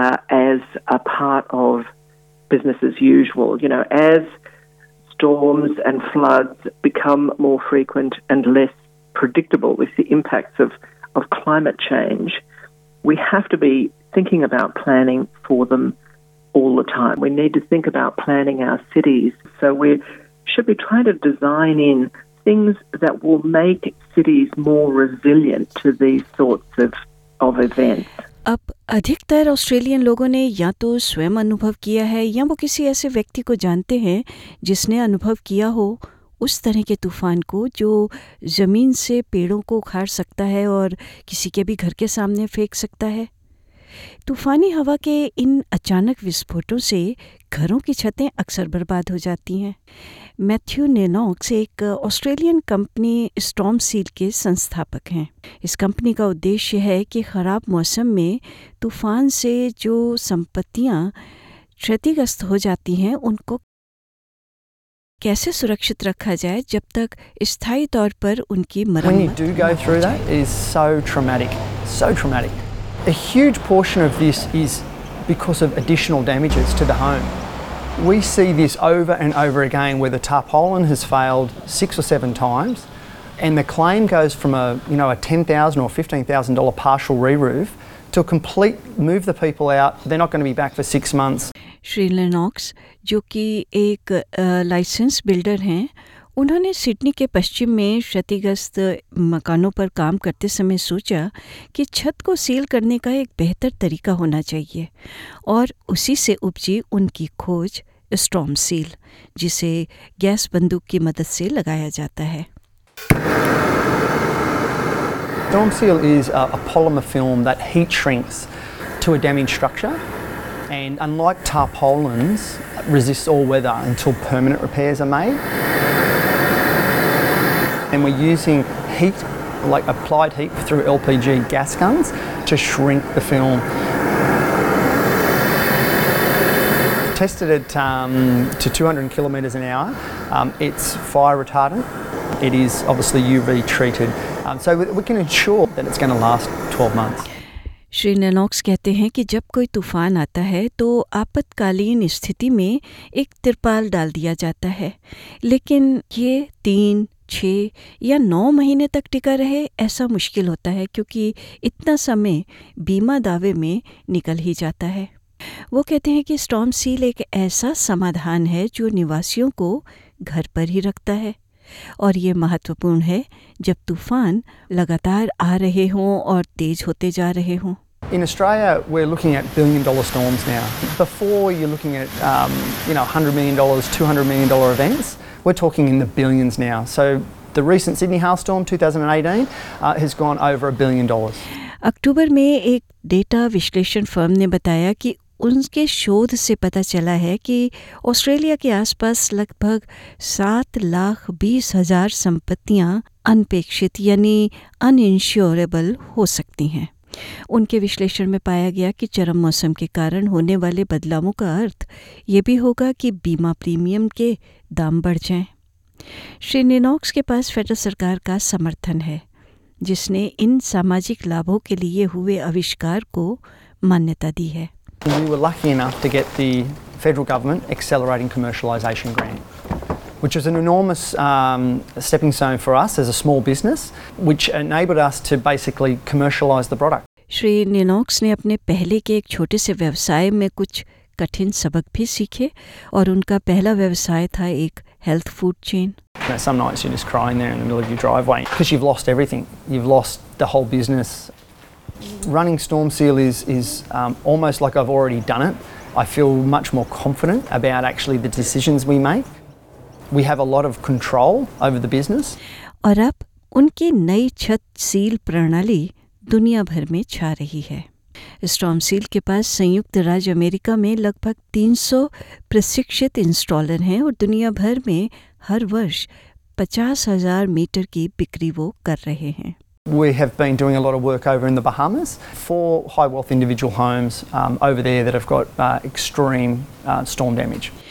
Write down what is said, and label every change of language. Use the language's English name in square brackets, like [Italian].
[English] As a part of business as usual, you know, as storms and floods become more frequent and less predictable with the impacts of climate change, we have to be thinking about planning for them all the time. We need to think about planning our cities. So we should be trying to design in things that will make cities more resilient to these sorts of events. [Hindi] अब अधिकतर Australian लोगों ने या तो स्वयं अनुभव किया है या वो किसी ऐसे व्यक्ति को जानते हैं जिसने अनुभव किया हो उस तरह के तूफान को जो ज़मीन से पेड़ों को उखाड़ सकता है और किसी के भी घर के सामने फेंक सकता है। तूफानी हवा के इन अचानक विस्फोटों से घरों की छतें अक्सर बर्बाद हो जाती हैं। मैथ्यू नेनॉक्स एक ऑस्ट्रेलियन कंपनी स्टॉर्म सील के संस्थापक हैं। इस कंपनी का उद्देश्य है कि खराब मौसम में तूफान से जो संपत्तियां क्षतिग्रस्त हो जाती हैं उनको कैसे सुरक्षित रखा जाए जब तक स्थायी तौर पर उनकी मरम्मत। [English] A huge portion of this is because of additional damages to the home. We see this over and over again where the tarpaulin has failed 6 or 7 times and the claim goes from a $10,000 or $15,000 partial re-roof to a complete move the people out, they're not going to be back for 6 months. [Hindi] Shri Lennox, jo ki ek licensed builder hain, उन्होंने Sydney के पश्चिम में क्षतिग्रस्त मकानों पर काम करते समय सोचा कि छत को सील करने का एक बेहतर तरीका होना चाहिए और उसी से उपजी उनकी खोज स्टॉर्म सील, जिसे गैस बंदूक की मदद से लगाया जाता है। [English] Storm seal is a polymer film that heat shrinks to a damage structure and unlike tarpaulins resist all weather until permanent repairs are made. And we're using heat, like applied heat through LPG gas guns to shrink the film. Tested it to 200 kilometres an hour. It's fire retardant. It is obviously UV treated. So we can ensure that it's going to last 12 months. [Hindi] Shri नेनॉक्स कहते हैं कि जब कोई तूफान आता है तो आपातकालीन स्थिति में एक तिरपाल डाल दिया जाता है, लेकिन ये 3, 6 या 9 महीने तक टिका रहे ऐसा मुश्किल होता है, क्योंकि इतना समय बीमा दावे में निकल ही जाता है। वो कहते हैं कि स्टॉर्म सील एक ऐसा समाधान है जो निवासियों को घर पर ही रखता है, और ये महत्वपूर्ण है जब तूफान लगातार आ रहे हों और तेज होते जा रहे हों। [English] In Australia, we're looking at billion-dollar storms now. Before, you're looking at $100 million, $200 million events. We're talking in the billions now. So the recent Sydney hail storm 2018 has gone over $1 billion. [Hindi] अक्टूबर में एक data विश्लेषण firm ने बताया कि उनके शोध से पता चला है कि ऑस्ट्रेलिया के आसपास लगभग 7,20,000 संपत्तियां अनपेक्षित यानी अनइंश्योरेबल हो सकती हैं। उनके विश्लेषण में पाया गया कि चरम मौसम के कारण होने वाले बदलावों का अर्थ ये भी होगा कि बीमा प्रीमियम के दाम बढ़ जाएं। श्री निनॉक्स के पास फेडरल सरकार का समर्थन है, जिसने इन सामाजिक लाभों के लिए हुए आविष्कार को मान्यता दी है। [English] We were lucky enough to get the federal government accelerating commercialization grant, which is an enormous stepping stone for us as a small business, which enabled us to basically commercialize the product. [Hindi] Shri निनॉक्स ने अपने पहले के एक छोटे से व्यवसाय में कुछ कठिन सबक भी सीखे, और उनका पहला व्यवसाय था एक health food chain. [English] Now, some nights you're just crying there in the middle of your driveway because you've lost everything. You've lost the whole business. Running Storm Seal is almost like I've already done it. I feel much more confident about actually the decisions we make. We have a lot of control over the business. [Hindi] और अब उनकी नई छत seal प्रणाली दुनिया भर में छा रही है। स्टॉर्म सील के पास संयुक्त राज्य अमेरिका में लगभग 300 प्रशिक्षित इंस्टॉलर हैं, और दुनिया भर में हर वर्ष 50,000 मीटर की बिक्री वो कर रहे हैं। [English] We have been doing a lot of work over in the Bahamas for high wealth individual homes over there that have got extreme storm damage.